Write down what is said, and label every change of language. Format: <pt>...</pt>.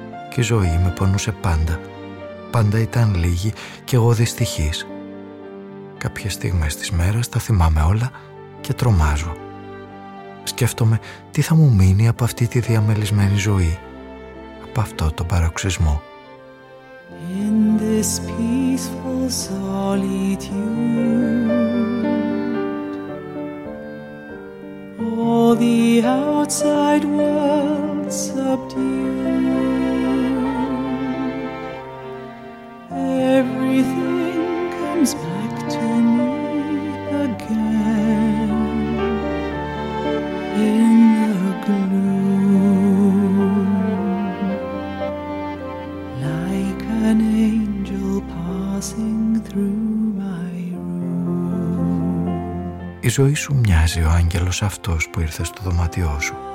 <el>Και η ζωή με πονούσε πάντα. Πάντα ήταν λίγη και εγώ δυστυχής. Κάποιες στιγμές της μέρας τα θυμάμαι όλα και τρομάζω. Σκέφτομαι τι θα μου μείνει από αυτή τη διαμελισμένη ζωή, από αυτό το παροξυσμό.</el> <en>In this peaceful solitude, all the outside world subdued, everything comes back to me again. In the gloom, like an angel passing through my room.</en> <el>Η ζωή σου μοιάζει ο άγγελος αυτός που ήρθε στο δωμάτιό σου.</el>